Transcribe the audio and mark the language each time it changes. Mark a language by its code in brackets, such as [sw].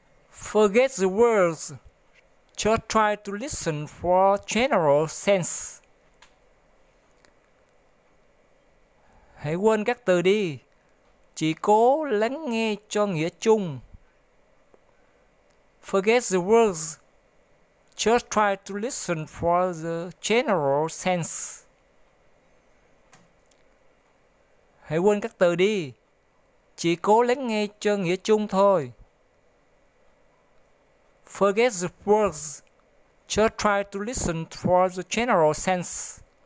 [en] Forget the words. Just try to listen for general sense. [vi] Hãy quên các từ đi. Chỉ cố lắng nghe cho nghĩa chung. [en] Forget the words. Just try to listen for the general sense. [vi] Hãy quên các từ đi. Chỉ cố lắng nghe cho nghĩa chung thôi. [en] Forget the words. Just try to listen for the general sense.